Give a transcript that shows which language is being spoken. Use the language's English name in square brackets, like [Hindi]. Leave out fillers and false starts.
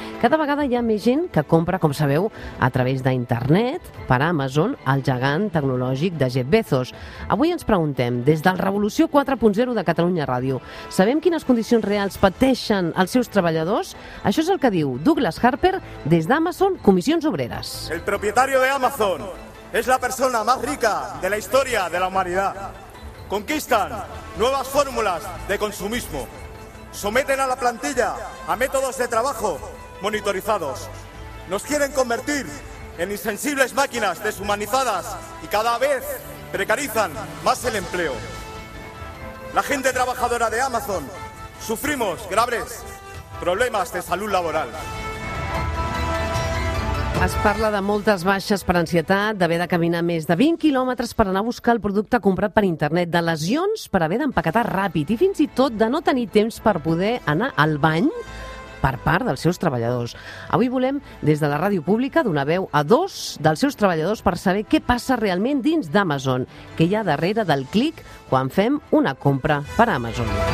[Catalan] Cada vegada hi ha més gent que compra, com sabeu, a través d'internet per Amazon, el gegant tecnològic de Jeff Bezos. Avui ens preguntem, des del Revolució 4.0 de Catalunya Ràdio, sabem quines condicions reals pateixen els seus treballadors? Això és el que diu Douglas Harper des d'Amazon Comissions Obreres. [Spanish] El propietario de Amazon es la persona más rica de la historia de la humanidad. Conquistan nuevas fórmulas de consumismo. Someten a la plantilla a métodos de trabajo monitorizados. Nos quieren convertir en insensibles máquinas deshumanizadas y cada vez precarizan más el empleo. La gente trabajadora de Amazon sufrimos graves problemas de salud laboral. [Catalan] Es parla de moltes baixes per ansietat, d'haver de caminar més de 20 quilòmetres per anar a buscar el producte comprat per internet, de lesions per haver d'empaquetar ràpid i fins i tot de no tenir temps per poder anar al bany per part dels seus treballadors. Avui volem, des de la ràdio pública, donar veu a dos dels seus treballadors per saber què passa realment dins d'Amazon, què hi ha darrere del clic quan fem una compra per Amazon.